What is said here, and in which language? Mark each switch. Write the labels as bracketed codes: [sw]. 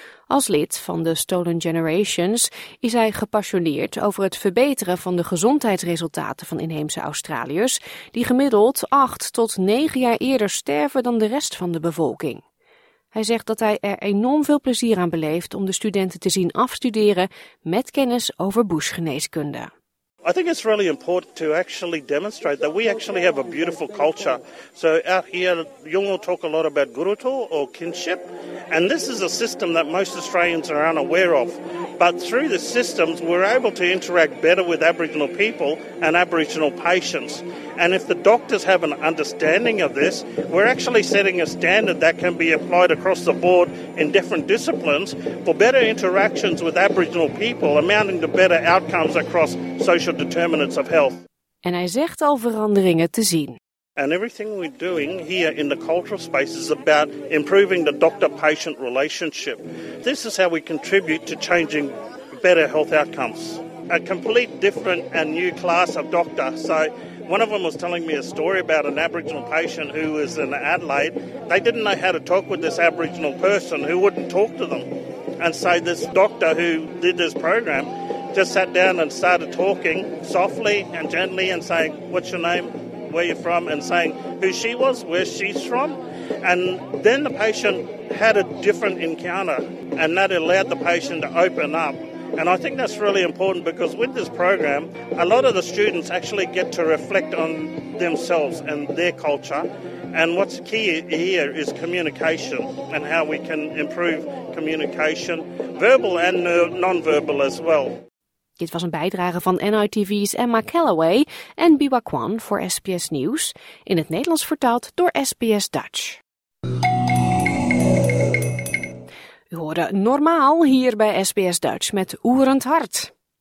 [nl] Als lid van de Stolen Generations is hij gepassioneerd over het verbeteren van de gezondheidsresultaten van inheemse Australiërs, die gemiddeld 8 tot 9 jaar eerder sterven dan de rest van de bevolking. Hij zegt dat hij er enorm veel plezier aan beleeft om de studenten te zien afstuderen met kennis over bushgeneeskunde. [en] I think it's really important to actually demonstrate that we actually have a beautiful culture. So out here, Yolngu talk a lot about gurutu or kinship, and this is a system that most Australians are unaware of. But through the systems, we're able to interact better with Aboriginal people and Aboriginal patients. And if the doctors have an understanding of this, we're actually setting a standard that can be applied across the board in different disciplines for better interactions with Aboriginal people, amounting to better outcomes across social determinants of health. [nl] En hij zegt al veranderingen te zien. [en] And everything we're doing here in the cultural space is about improving the doctor-patient relationship. This is how we contribute to changing better health outcomes. A complete different and new class of doctor. So one of them was telling me a story about an Aboriginal patient who was in Adelaide. They didn't know how to talk with this Aboriginal person who wouldn't talk to them. And so this doctor who did this program just sat down and started talking softly and gently and saying, what's your name, where you're from, and saying who she was, where she's from. And then the patient had a different encounter, and that allowed the patient to open up. And I think that's really important, because with this program, a lot of the students actually get to reflect on themselves and their culture. And what's key here is communication and how we can improve communication, verbal and non-verbal as well. [nl] Dit was een bijdrage van NITV's Emma Calloway en Biwa Kwan voor SBS Nieuws, in het Nederlands vertaald door SBS Dutch. U hoorde Normaal hier bij SBS Dutch met Oerend Hart.